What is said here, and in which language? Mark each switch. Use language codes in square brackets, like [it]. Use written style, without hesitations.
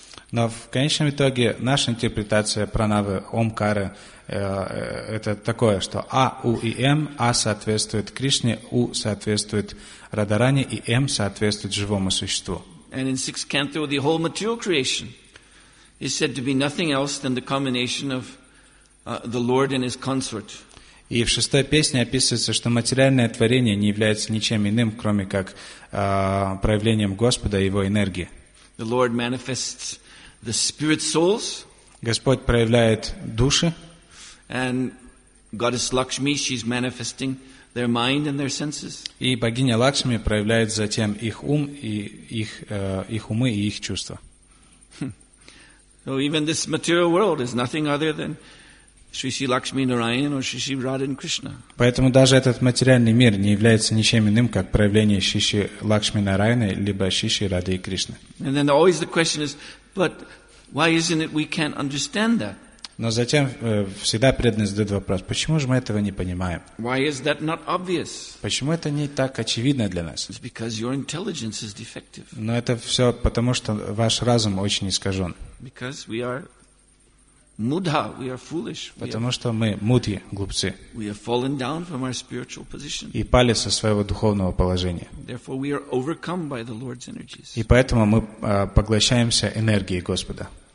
[ru] Но в конечном итоге наша интерпретация пранавы Омкары это такое, что А, У и М, А соответствует Кришне, У соответствует Радарани и М соответствует живому существу. [en] And in sixth canto, the whole material creation is said to be nothing else than the combination of the Lord and his consort. [ru] И в шестой песне описывается, что материальное творение не является ничем иным, кроме как проявлением Господа и его энергии. [en] The Lord manifests the spirit souls. [ru] Господь проявляет души. [en] And goddess Lakshmi, she's manifesting their mind and their senses. [ru] И богиня Лакшми проявляет затем их ум и их умы и их чувства. [en] So even this material world is nothing other than Shri Shri Lakshmi Narayan or Shri Shri Radha and Krishna. [ru] Поэтому даже этот материальный мир не является ничем иным, как проявление Shri Shri Lakshmi Narayana либо Shri Shri Radha и Кришны. [en] And then always the question is, but Why isn't it we can't understand that? [ru] Но затем всегда преданный задает вопрос, почему же мы этого не понимаем? [en] Why is that not obvious? [ru] Почему это не так очевидно для нас? [en] It's because your intelligence is defective. [ru] Но это все потому, что ваш разум очень искажен. [en] Because we are mudha, we are foolish. [ru] Потому что мы мудхи, глупцы. [en] We have fallen down from our spiritual position. [ru] И пали со своего духовного положения. [en] Therefore we are overcome by the Lord's energies. [ru] И поэтому мы поглощаемся энергией Господа.